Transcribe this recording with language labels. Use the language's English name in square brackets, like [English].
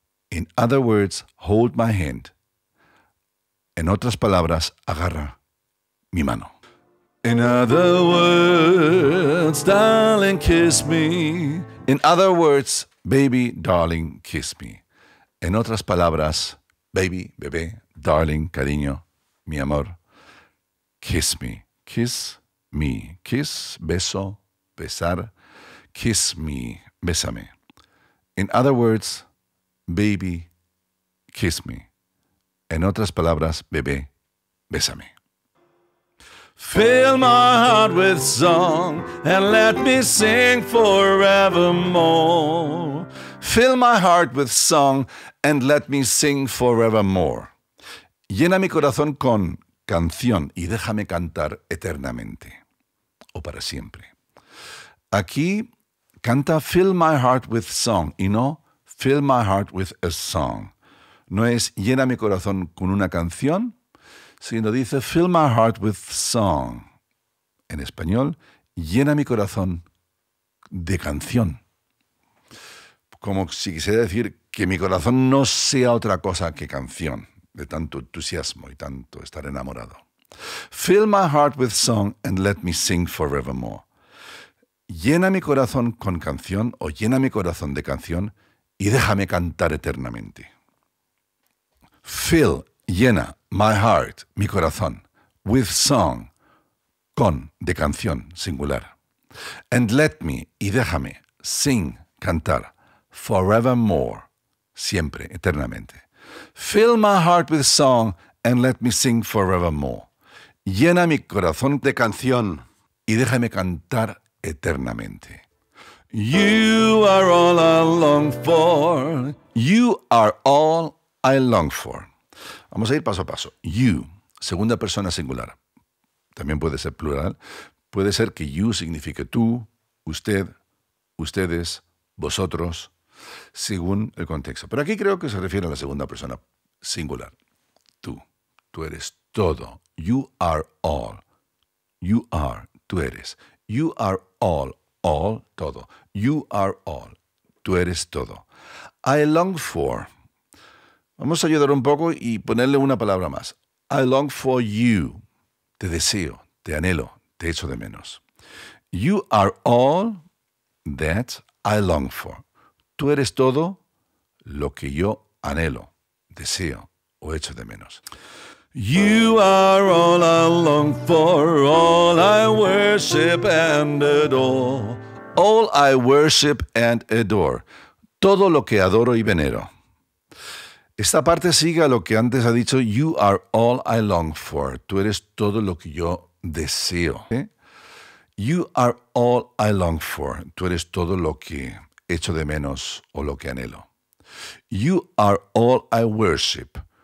[English] In other words, hold my hand. [Spanish] En otras palabras, agarra mi mano. [English] In other words, darling, kiss me. In other words, baby, darling, kiss me. [Spanish] En otras palabras, baby, bebé, darling, cariño, mi amor, [English] kiss me. Kiss me. Kiss, [Spanish] beso, besar. [English] Kiss me, [Spanish] bésame. [English] In other words, baby, kiss me. [Spanish] En otras palabras, bebé, bésame. [English] Fill my heart with song and let me sing forevermore. Fill my heart with song and let me sing forevermore. [Spanish] Llena mi corazón con canción y déjame cantar eternamente o para siempre. Aquí canta [English] fill my heart with song [Spanish] y no [English] fill my heart with a song. [Spanish] No es llena mi corazón con una canción, sino dice [English] fill my heart with song. [Spanish] En español, llena mi corazón de canción. Como si quisiera decir que mi corazón no sea otra cosa que canción, de tanto entusiasmo y tanto estar enamorado. [English] Fill my heart with song and let me sing forevermore. [Spanish] Llena mi corazón con canción o llena mi corazón de canción y déjame cantar eternamente. [English] Fill, [Spanish] llena, [English] my heart, [Spanish] mi corazón, [English] with song, [Spanish] con, de canción, singular. [English] And let me, [Spanish] y déjame, [English] sing, [Spanish] cantar, [English] forevermore, [Spanish] siempre, eternamente. [English] Fill my heart with song and let me sing forevermore. [Spanish] Llena mi corazón de canción y déjame cantar eternamente. [English] You are all I long for. You are all I long for. [Spanish] Vamos a ir paso a paso. You, segunda persona singular. También puede ser plural. Puede ser que you signifique tú, usted, ustedes, vosotros, según el contexto. Pero aquí creo que se refiere a la segunda persona singular. Tú. Tú eres todo. [English] You are all. You are. [Spanish] Tú eres. [English] You are all, all, todo. You are all, [Spanish] tú eres todo. [English] I long for. [Spanish] Vamos a ayudar un poco y ponerle una palabra más. [English] I long for you. [Spanish] Te deseo, te anhelo, te echo de menos. [English] You are all that I long for. [Spanish] Tú eres todo lo que yo anhelo, deseo o echo de menos. [English] You are all I long for, all I worship and adore. All I worship and adore. [Spanish] Todo lo que adoro y venero. Esta parte sigue a lo que antes ha dicho. [English] You are all I long for. [Spanish] Tú eres todo lo que yo deseo. [English] ¿Eh? You are all I long for. [Spanish] Tú eres todo lo que echo de menos o lo que anhelo. [English] You are all I worship.